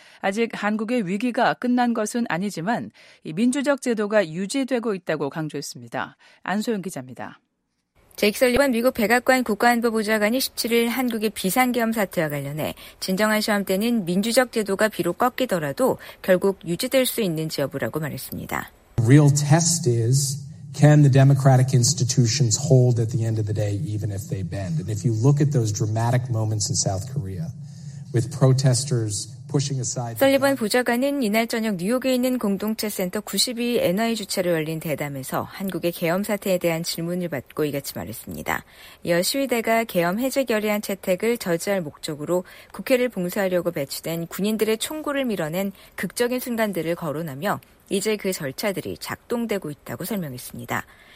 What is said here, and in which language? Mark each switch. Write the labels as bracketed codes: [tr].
[ko] 아직 한국의 위기가 끝난 것은 아니지만 이 민주적 제도가 유지되고 있다고 강조했습니다. 안소영 기자입니다. 제이크 설리번 미국 백악관 국가안보보좌관이 17일 한국의 비상계엄 사태와 관련해 진정한 시험 때는 민주적 제도가 비록 꺾이더라도 결국 유지될 수 있는지 여부라고 말했습니다. [en] Real test is Can the democratic institutions hold at the end of the day even if they bend? And if you look at those dramatic moments in South Korea with protesters [ko] 설리번 부좌관은 이날 저녁 뉴욕에 있는 공동체 센터 92 NI 주최로 열린 대담에서 한국의 계엄 사태에 대한 질문을 받고 이같이 말했습니다. 이어 시위대가 계엄 해제 결의안 채택을 저지할 목적으로 국회를 봉쇄하려고 배치된 군인들의 총구를 밀어낸 극적인 순간들을 거론하며 이제 그 절차들이 작동되고 있다고 설명했습니다.